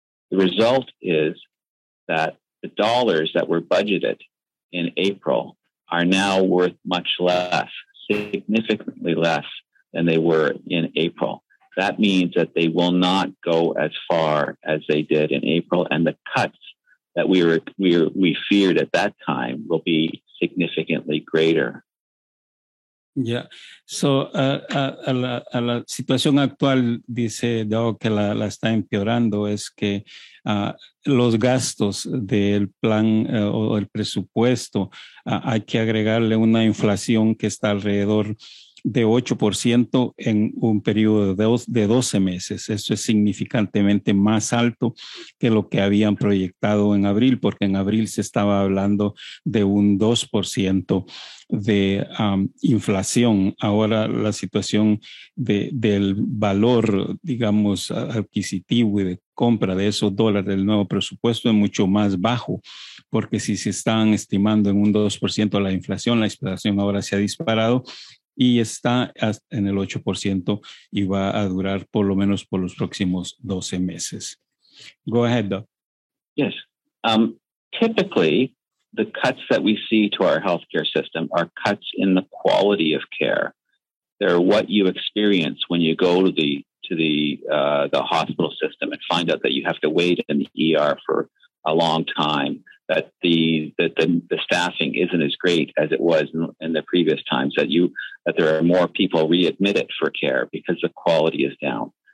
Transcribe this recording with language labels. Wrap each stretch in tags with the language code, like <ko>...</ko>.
<en>The result is that the dollars that were budgeted in April are now worth much less, significantly less than they were in April. That means that they will not go as far as they did in April, and the cuts that we feared at that time will be significantly greater. Yeah.</en> <es>So a la situación actual, dice Doug, que la está empeorando, es que los gastos del plan o el presupuesto, hay que agregarle una inflación que está alrededor de 8% en un periodo de 12 meses. Eso es significantemente más alto que lo que habían proyectado en abril, porque en abril se estaba hablando de un 2% de inflación. Ahora la situación del valor, digamos, adquisitivo y de compra de esos dólares del nuevo presupuesto es mucho más bajo, porque si se están estimando en un 2% la inflación ahora se ha disparado y está en el 8% y va a durar por lo menos por los próximos 12 meses.</es> <en>Go ahead, Doug. Yes. Typically, the cuts that we see to our healthcare system are cuts in the quality of care. They're what you experience when you go to the hospital system and find out that you have to wait in the ER for a long time, that the staffing isn't as great as it was in the previous times, that there are more people readmitted for care because the quality is down.</en>